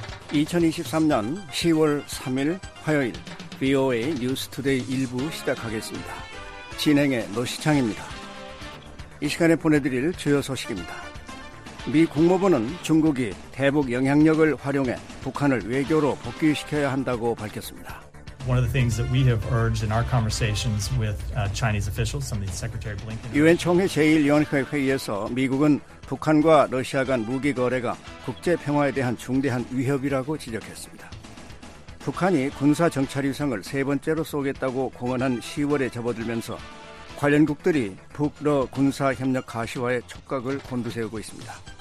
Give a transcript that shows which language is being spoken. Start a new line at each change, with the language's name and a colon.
Korean: 2023년 10월 3일 화요일 비오에이 뉴스 투데이 1부 시작하겠습니다. 진행의 노시창입니다. 이 시간에 보내드릴 주요 소식입니다. 미 국무부는 중국이 대북 영향력을 활용해 북한을 외교로 복귀시켜야 한다고 밝혔습니다.
English: One of the things that we have urged in our conversations with Chinese officials, some of the Secretary Blinken.
Korean: 유엔 총회 제1위원회 회의에서 미국은 북한과 러시아 간 무기 거래가 국제 평화에 대한 중대한 위협이라고 지적했습니다. 북한이 군사 정찰 위성을 세 번째로 쏘겠다고 공언한 10월에 접어들면서 관련국들이 북러 군사 협력 가시화에 촉각을 곤두세우고 있습니다.